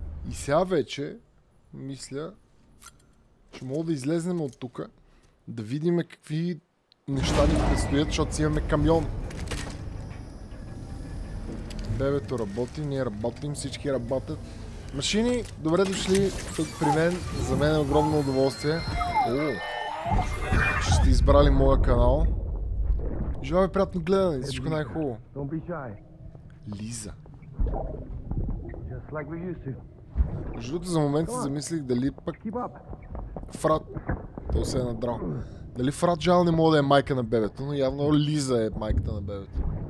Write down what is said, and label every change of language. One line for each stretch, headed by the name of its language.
Bulgarian: И сега вече, мисля, че мога да излезнем от тук, да видим какви неща ни предстоят, защото си имаме камион. Бебето работи, ние работим, всички работят. Машини, добре дошли тук при мен. За мен е огромно удоволствие. Оу! Че сте избрали моя канал. Желая ви приятно гледане, всичко най-хубаво.
English: Don't be shy. Лиза. Just like we used to.
Bulgarian: Жутото за момент си замислих дали пък... Фрат... То се е надрал. Дали Фрат Жал не мога да е майка на бебето, но явно Лиза е майката на бебето.